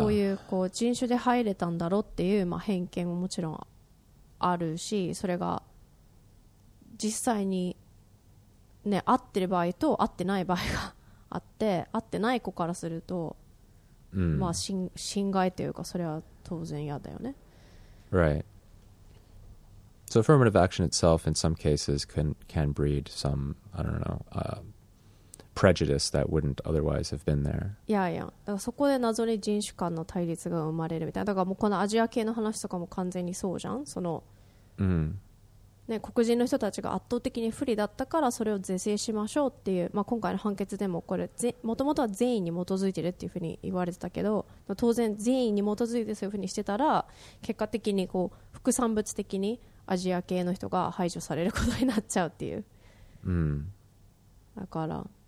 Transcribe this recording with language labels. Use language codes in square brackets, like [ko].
[ja] そういうこう人種で入れたんだろうっていう、まあ、偏見ももちろんあるし、それが実際にね合ってる場合と合ってない場合があって、合ってない子からすると、まあ侵害というか、それは当然嫌だよね。 [en] Right. So affirmative action itself in some cases can breed some, I don't know, prejudice that wouldn't otherwise have been there. Yeah, yeah. [ja] だからそこで謎に人種間の対立が生まれるみたいな。だからもうこのアジア系の話とかも完全にそうじゃん。その、ね、黒人の人たちが圧倒的に不利だったからそれを是正しましょうっていう、まあ、今回の判決でもこれもともとは善意に基づいてるっていうふうに言われてたけど、当然善意に基づいてそういうふうにしてたら、結果的にこう副産物的にアジア系の人が排除されることになっちゃうっていう。だから